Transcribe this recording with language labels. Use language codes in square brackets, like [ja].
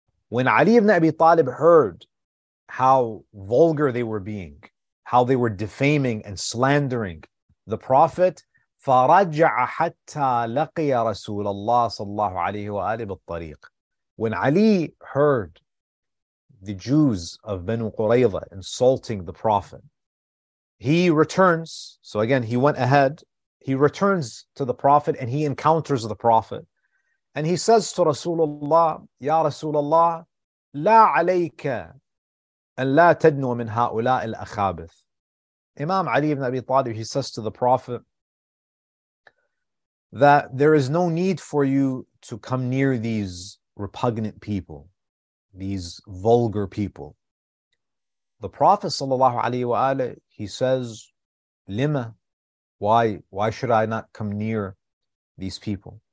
[en] When Ali ibn Abi Talib heard how vulgar they were being, how they were defaming and slandering the Prophet, [ar] فَرَجَعَ حَتَّى لَقِيَ رَسُولَ اللَّهِ صَلَّى اللَّهُ عَلَيْهِ وَآلِهِ بِالطَّرِيقِ. [en] When Ali heard the Jews of Banu Qurayza insulting the Prophet, he returns. So again, he went ahead. He returns to the Prophet and he encounters the Prophet. And he says to Rasulullah, Ya Rasulullah, [ar] لَا عَلَيْكَ أَن لَا تَدْنُوَ مِنْ هَؤُلَاءِ الْأَخَابِثِ. [en] Imam Ali ibn Abi Talib, he says to the Prophet, that there is no need for you to come near these repugnant people, these vulgar people. The Prophet sallallahu alaihi wa alihi, he says, lima, why should I not come near these people?